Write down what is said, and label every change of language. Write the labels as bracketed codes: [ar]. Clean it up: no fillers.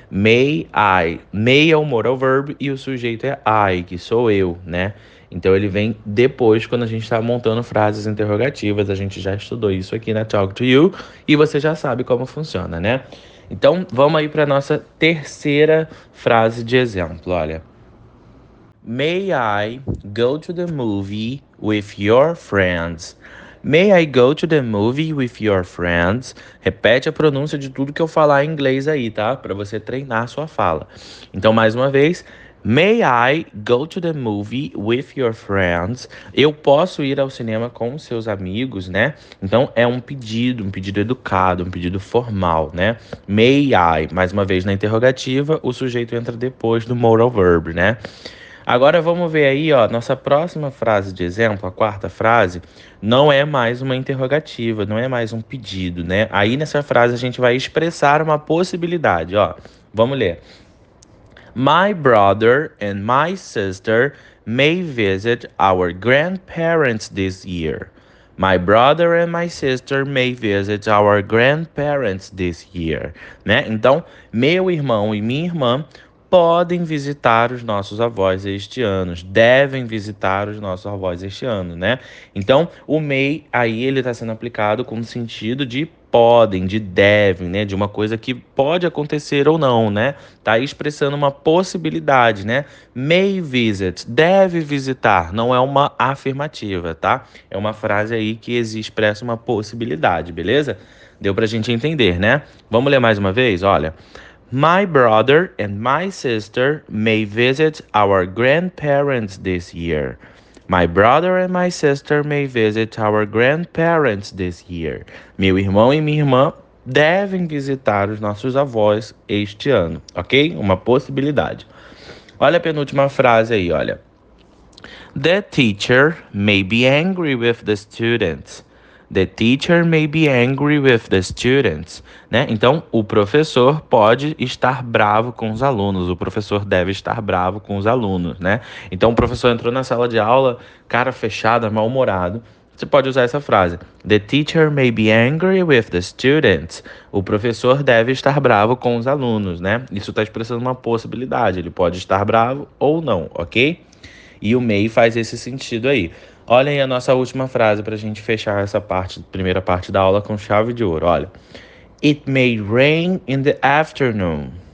[pt] May I, may é o modal verb e o sujeito é I, que sou eu, né? Então, ele vem depois, quando a gente está montando frases interrogativas. A gente já estudou isso aqui na Talk to You e você já sabe como funciona, né? Então, vamos aí para a nossa terceira frase de exemplo, olha. [en] May I go to the movie with your friends? May I go to the movie with your friends? [pt] Repete a pronúncia de tudo que eu falar em inglês aí, tá? Para você treinar a sua fala. Então, mais uma vez. [en] May I go to the movie with your friends? [pt] Eu posso ir ao cinema com seus amigos, né? Então é um pedido educado, um pedido formal, né? May I, mais uma vez na interrogativa, o sujeito entra depois do modal verb, né? Agora vamos ver aí, ó, nossa próxima frase de exemplo, a quarta frase, não é mais uma interrogativa, não é mais um pedido, né? Aí nessa frase a gente vai expressar uma possibilidade, ó. Vamos ler. [en] My brother and my sister may visit our grandparents this year. My brother and my sister may visit our grandparents this year. [pt] Né? Então, meu irmão e minha irmã podem visitar os nossos avós este ano. Devem visitar os nossos avós este ano, né? Então, o may aí ele está sendo aplicado com o sentido de podem, de devem, né? De uma coisa que pode acontecer ou não, né? Tá expressando uma possibilidade, né? May visit, deve visitar, não é uma afirmativa, tá? É uma frase aí que expressa uma possibilidade, beleza? Deu pra gente entender, né? Vamos ler mais uma vez, olha. [en] My brother and my sister may visit our grandparents this year. My brother and my sister may visit our grandparents this year. [pt] Meu irmão e minha irmã devem visitar os nossos avós este ano, ok? Uma possibilidade. Olha a penúltima frase aí, olha. [en] The teacher may be angry with the students. The teacher may be angry with the students, né? [pt] Então, o professor pode estar bravo com os alunos. O professor deve estar bravo com os alunos, né? Então, o professor entrou na sala de aula, cara fechada, mal-humorado. Você pode usar essa frase. [en] The teacher may be angry with the students. [pt] O professor deve estar bravo com os alunos, né? Isso está expressando uma possibilidade. Ele pode estar bravo ou não, ok? E o may faz esse sentido aí. Olha aí a nossa última frase para a gente fechar essa parte, primeira parte da aula com chave de ouro. [en] Olha. It may rain in the afternoon.